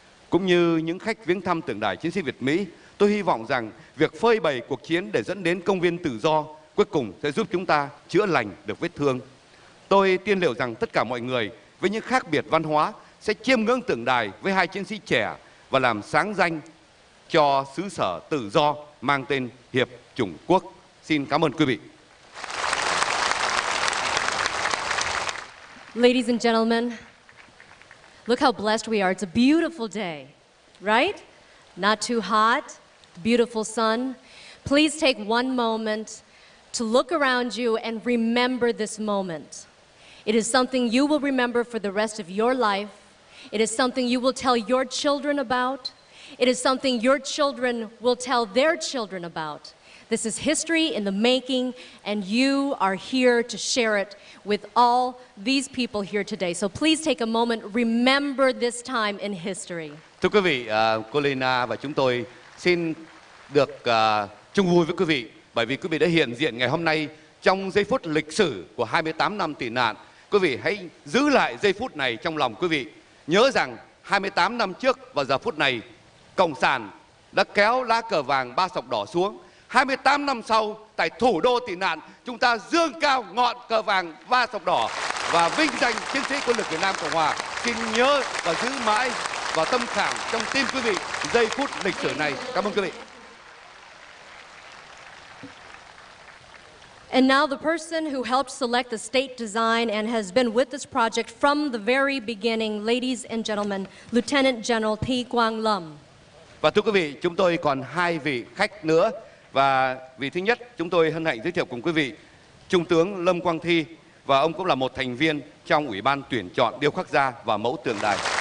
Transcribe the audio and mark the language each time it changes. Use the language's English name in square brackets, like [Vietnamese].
[Vietnamese] Cũng như những khách viếng thăm tượng đài chiến sĩ Việt-Mỹ, tôi hy vọng rằng việc phơi bày cuộc chiến để dẫn đến công viên tự do cuối cùng sẽ giúp chúng ta chữa lành được vết thương. Tôi tiên liệu rằng tất cả mọi người với những khác biệt văn hóa sẽ chiêm ngưỡng tượng đài với hai chiến sĩ trẻ và làm sáng danh cho xứ sở tự do mang tên Hiệp Chủng Quốc. Xin cảm ơn quý vị. [English] Ladies and gentlemen, look how blessed we are. It's a beautiful day, right? Not too hot, beautiful sun. Please take one moment to look around you and remember this moment. It is something you will remember for the rest of your life. It is something you will tell your children about. It is something your children will tell their children about. This is history in the making, and you are here to share it with all these people here today. So please take a moment, remember this time in history. [Vietnamese] Thưa quý vị, cô Lena và chúng tôi xin được chung vui với quý vị, bởi vì quý vị đã hiện diện ngày hôm nay trong giây phút lịch sử của 28 năm tị nạn. Quý vị hãy giữ lại giây phút này trong lòng quý vị. Nhớ rằng 28 năm trước vào giờ phút này, Cộng sản đã kéo lá cờ vàng ba sọc đỏ xuống. 28 năm sau, tại thủ đô tị nạn, chúng ta dương cao ngọn cờ vàng ba sọc đỏ. và vinh danh chiến sĩ quân lực Việt Nam Cộng Hòa. Xin nhớ và giữ mãi và tâm khảm trong tim quý vị giây phút lịch sử này. Cảm ơn quý vị. [English] And now the person who helped select the state design and has been with this project from the very beginning, ladies and gentlemen, Lieutenant General Thi Quang Lâm. [Vietnamese] Và thưa quý vị, chúng tôi còn hai vị khách nữa. Và vị thứ nhất, chúng tôi hân hạnh giới thiệu cùng quý vị Trung tướng Lâm Quang Thi, và ông cũng là một thành viên trong Ủy ban tuyển chọn điêu khắc gia và mẫu tượng đài.